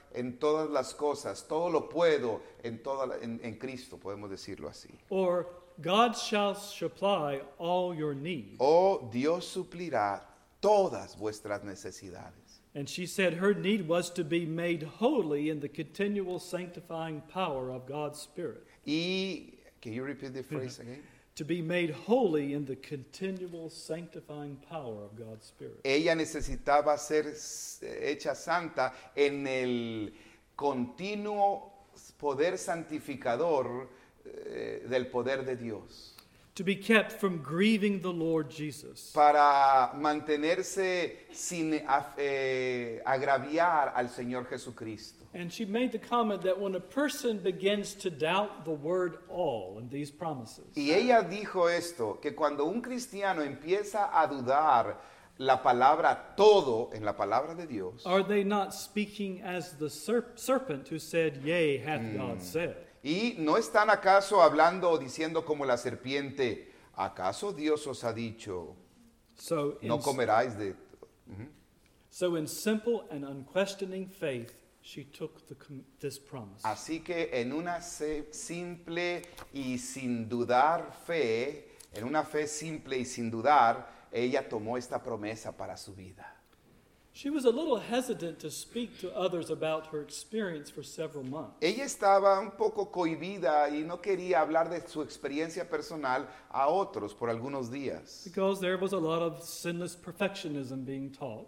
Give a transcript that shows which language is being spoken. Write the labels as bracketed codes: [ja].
[es] En todas las cosas, todo lo puedo en Cristo, podemos decirlo así. [en] Or God shall supply all your needs. [es] Oh, Dios suplirá todas vuestras necesidades. [en] And she said her need was to be made holy in the continual sanctifying power of God's Spirit. Can you repeat the phrase again? To be made holy in the continual sanctifying power of God's Spirit. [es] Ella necesitaba ser hecha santa en el continuo poder santificador del poder de Dios. [en] To be kept from grieving the Lord Jesus. [es] Para mantenerse sin agraviar al Señor Jesucristo. [en] And she made the comment that when a person begins to doubt the word all in these promises. [es] Y ella dijo esto, que cuando un cristiano empieza a dudar la palabra todo en la palabra de Dios. [en] Are they not speaking as the serpent who said, yea, hath God said? [es] ¿Y no están acaso hablando o diciendo como la serpiente, acaso Dios os ha dicho, no comeráis de? [en] So in simple and unquestioning faith, she took this promise. [es] Así que en una simple y sin dudar fe, en una fe simple y sin dudar, ella tomó esta promesa para su vida. [en] She was a little hesitant to speak to others about her experience for several months. [es] Ella estaba un poco cohibida y no quería hablar de su experiencia personal a otros por algunos días. [en] Because there was a lot of sinless perfectionism being taught.